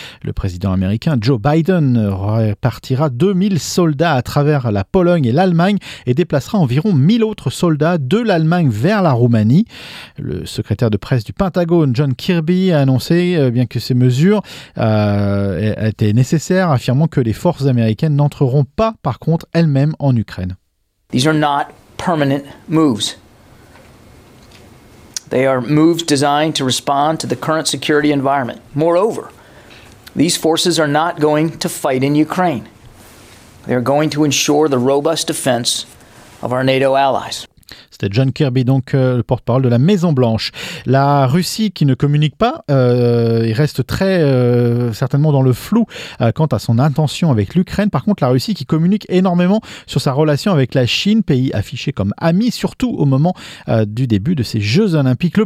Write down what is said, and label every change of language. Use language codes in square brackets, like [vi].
[fr] Le président américain Joe Biden repartira 2000 soldats à travers la Pologne et l'Allemagne et déplacera environ 1000 autres soldats de l'Allemagne vers la Roumanie. Le secrétaire de presse du Pentagone, John Kirby, a annoncé bien que ces mesures étaient nécessaires, affirmant que les forces américaines n'entreront pas par contre elles-mêmes en Ukraine. [en] These are not permanent moves. They are moves designed to respond to the current security environment. Moreover, these forces are not going to fight in Ukraine. They're going to ensure the robust defense of our NATO allies. [fr] C'était John Kirby, donc le porte-parole de la Maison-Blanche. La Russie, qui ne communique pas, reste très certainement dans le flou quant à son intention avec l'Ukraine. Par contre, la Russie, qui communique énormément sur sa relation avec la Chine, pays affiché comme ami, surtout au moment du début de ces Jeux Olympiques.